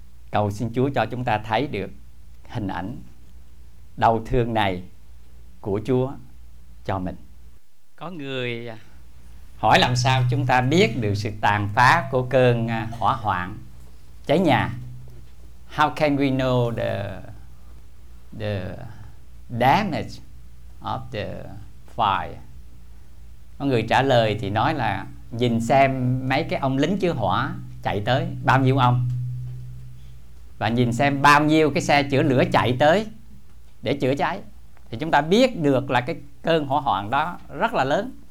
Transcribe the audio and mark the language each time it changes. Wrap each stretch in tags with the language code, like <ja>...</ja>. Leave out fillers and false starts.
<vi>Cầu xin Chúa cho chúng ta thấy được hình ảnh đau thương này của Chúa cho mình. Có người hỏi làm sao chúng ta biết được sự tàn phá của cơn hỏa hoạn cháy nhà.</vi> <en>How can we know the damage of the fire?</en> <vi>Có người trả lời thì nói là nhìn xem mấy cái ông lính cứu hỏa chạy tới, bao nhiêu ông, và nhìn xem bao nhiêu cái xe chữa lửa chạy tới để chữa cháy, thì chúng ta biết được là cái cơn hỏa hoạn đó rất là lớn.</vi>